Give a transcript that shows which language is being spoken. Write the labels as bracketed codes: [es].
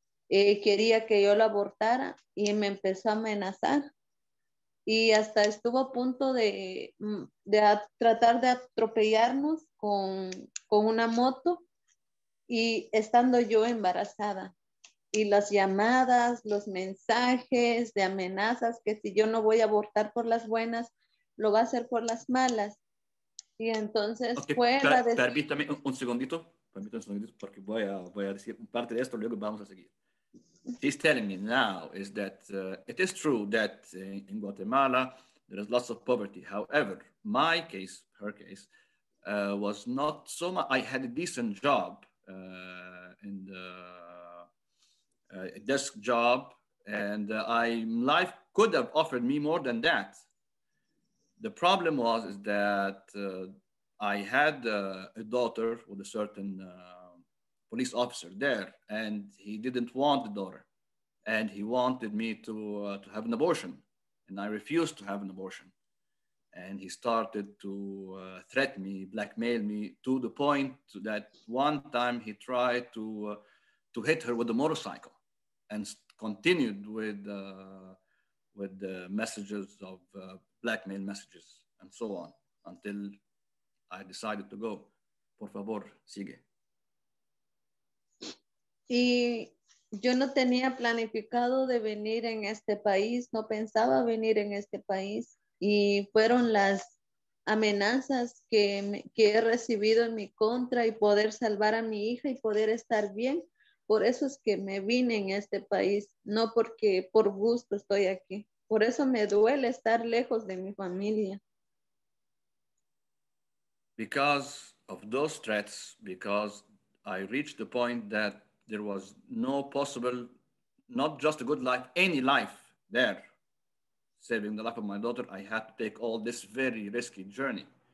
[es] Quería que yo lo abortara y me empezó a amenazar y hasta estuvo a punto de tratar de atropellarnos con una moto y estando yo embarazada y las llamadas, los mensajes de amenazas que si yo no voy a abortar por las buenas, lo va a hacer por las malas. Y entonces okay, permítame un segundito. Permítame un segundito porque voy a decir parte de esto, luego vamos a seguir. [en] She's telling me now is that it is true that in Guatemala there is lots of poverty. However, my case, her case, was not so much. I had a decent job in the desk job, and life could have offered me more than that. The problem was is that I had a daughter with a certain police officer there, and he didn't want the daughter, and he wanted me to have an abortion, and I refused to have an abortion, and he started to threaten me, blackmail me, to the point that one time he tried to hit her with a motorcycle, and continued with the messages of blackmail messages and so on until I decided to go. [es] Por favor, sigue. Y yo no tenía planificado de venir en este país, no pensaba venir en este país, y fueron las amenazas que he recibido en mi contra y poder salvar a mi hija y poder estar bien. Por eso es que me vine en este país, no porque por gusto estoy aquí. Por eso me duele estar lejos de mi familia. [en] Because of those threats, because I reached the point that there was no possible, not just a good life, any life there. Saving the life of my daughter, I had to take all this very risky journey.